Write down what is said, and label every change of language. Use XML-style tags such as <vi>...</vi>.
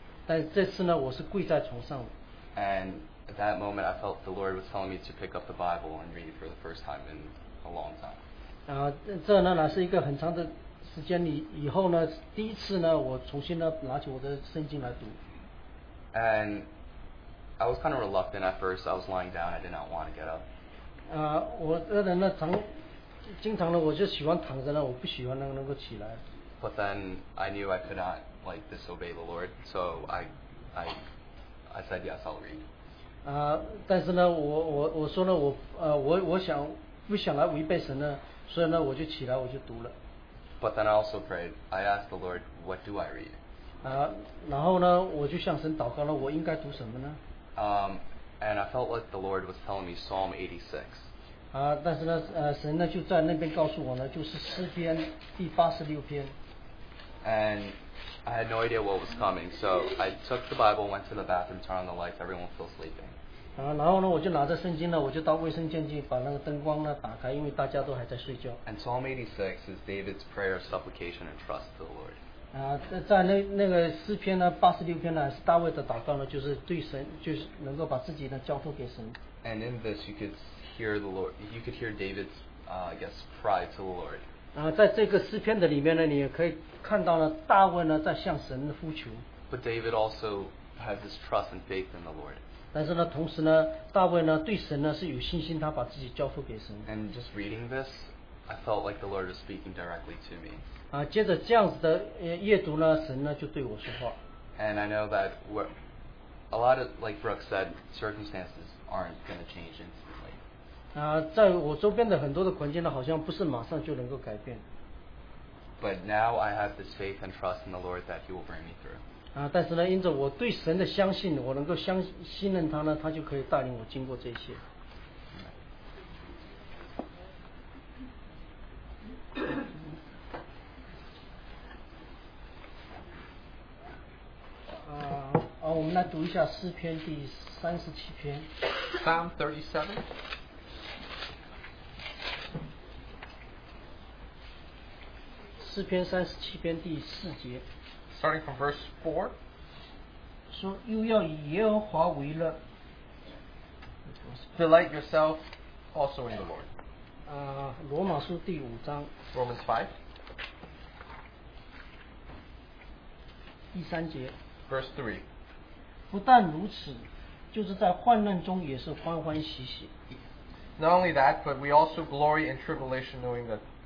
<zh>但这次呢，我是跪在床上。</zh> <en>And at that moment, I felt the Lord was telling me to pick up the Bible and read for the first time in a long time.</en> <zh>这呢，那是一个很长的时间里以后呢，第一次呢，我重新呢拿起我的圣经来读。</zh> <en>And I was kind of reluctant at first. I was lying down. I did not want to get up.</en> <zh>我这人呢常。经常呢，我就喜欢躺着呢，我不喜欢能够起来。</zh> <en>But then I knew I could not like disobey the Lord, so I said yes, I'll read.</en> <zh>但是呢，我说呢，我想不想来违背神呢，所以呢，我就起来，我就读了。</zh> <en>But then I also prayed. I asked the Lord, what do I read?</en> <zh>然后呢，我就向神祷告了，我应该读什么呢？</zh> <en>And I felt like the Lord was telling me Psalm 86.</en> <zh>但是呢，神呢就在那边告诉我呢，就是诗篇第八十六篇。</zh> <en>And I had no idea what was coming, so I took the Bible, went to the bathroom, turned on the lights, everyone still sleeping.</en> <zh>然后呢，我就拿着圣经呢，我就到卫生间去把那个灯光呢打开，因为大家都还在睡觉。</zh> <en>And Psalm 86 is David's prayer of supplication and trust to the Lord.</en> <zh>在那个诗篇呢，八十六篇呢，是大卫的祷告呢，就是对神，就是能够把自己呢交托给神。</zh> <en>And in this, you could hear the Lord. You could hear David's, I guess, cry to the Lord.</en> <zh>在这个诗篇的里面呢，你也可以看到呢，大卫呢在向神呼求。</zh> <en>But David also has his trust and faith in the Lord.</en> <zh>但是呢，同时呢，大卫呢对神呢是有信心，他把自己交付给神。</zh> <en>And just reading this, I felt like the Lord was speaking directly to me.</en> <zh>接着这样子的阅读呢，神呢就对我说话。</zh> <en>And I know that what a lot of, like Brooke said, circumstances aren't going to change in.</en> <zh>在我周边的很多的环境呢，好像不是马上就能够改变。</zh> <en>But now I have this faith and trust in the Lord that He will bring me through.</en> <zh>但是呢，因着我对神的相信，我能够信任他呢，他就可以带领我经过这些。我们来读一下诗篇第三十七篇。</zh> <en>Psalm 37.</en> <zh>诗篇三十七篇第四节</zh> <en>，Starting from verse 4，</en> <zh>说又要以耶和华为乐</zh> <en>，Delight yourself also in the Lord。</en> <zh>罗马书第五章</zh> <en>，Romans 5，</en> <zh>第三节</zh> <en>，Verse 3，</en> <zh>不但如此，就是在患难中也是欢欢喜喜。</zh> <en>Not only that, but we also glory in tribulation, knowing that.</en>